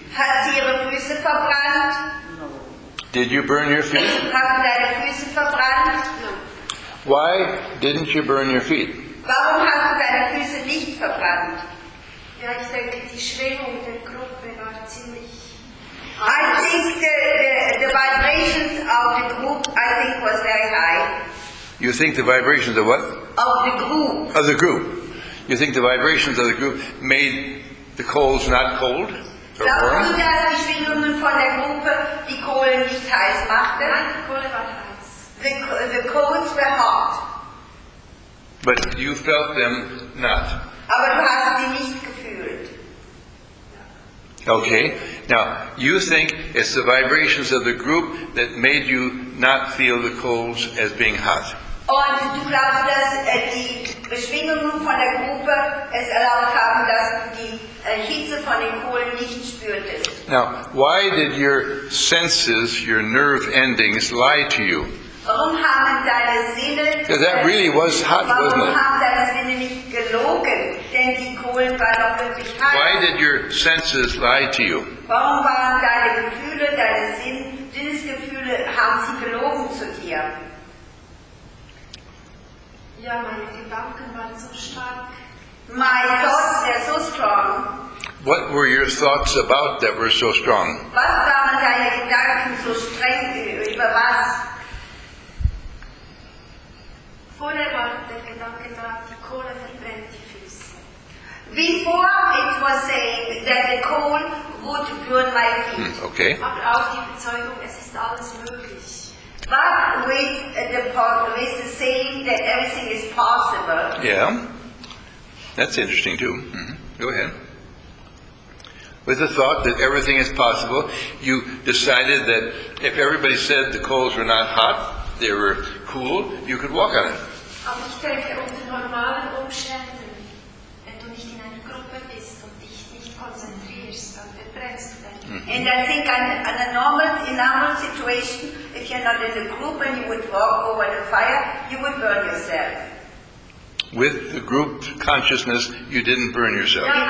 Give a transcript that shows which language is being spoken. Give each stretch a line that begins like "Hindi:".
German: Hat sie ihre Füße verbrannt?
English: Did you burn your feet?
German: Haben deine Füße verbrannt?
English: Why didn't you burn your feet?
German: Warum hast du deine Füße nicht verbrannt? Ja, ich denke, die Schwingung der Gruppe war ziemlich.
English: I think the vibrations of the group, I think, was very high. You think the vibrations of what? Of the group. Of the group. You think the vibrations of the group made the coals not cold?
German: Glaubst du, dass die Schwingungen von der Gruppe die Kohlen nicht heiß machten? Nein, die Kohle war heiß.
English: The coals were hot. But you felt them not.
German: Aber du hast sie nicht gefühlt.
English: Okay. Now, you think it's the vibrations of the group that made you not feel the coals as being hot.
German: Und du glaubst, dass die Schwingungen von der Gruppe es erlaubt haben, dass die Hitze von den Kohlen nicht spürte.
English: Now, why did your senses, your nerve endings, lie to you?
German: Warum haben deine Sinne?
English: Because that really was hot, wasn't it?
German: Warum haben deine Sinne nicht gelogen? Denn die Kohlen waren doch wirklich hart.
English: Why did your senses lie to you?
German: Warum waren deine Gefühle, deine Sinnesgefühle, haben sie gelogen zu dir? Ja, meine Gedanken waren so stark.
English: My thoughts were so strong. What were your thoughts about that were so strong?
German: Was waren deine Gedanken so streng über was? Vorher war der Gedanke da, die Kohle verbrennt die Füße.
English: Before it was saying that the coal would burn my feet. Hmm, okay.
German: Aber auch die Bezeugung, es ist alles möglich.
English: But with the with the saying that everything is possible. Yeah, that's interesting too. Mm-hmm. Go ahead. With the thought that everything is possible, you decided that if everybody said the coals were not hot, they were cool, you could walk on it.
German: Aber ich denke, unter normalen Umständen, wenn du nicht in einer Gruppe bist und dich nicht konzentrierst, dann verbrennst du dich. Mm-hmm.
English: And I think in a normal situation, if you're not in a group and you would walk over the fire, you would burn yourself. With the group consciousness, you didn't burn yourself.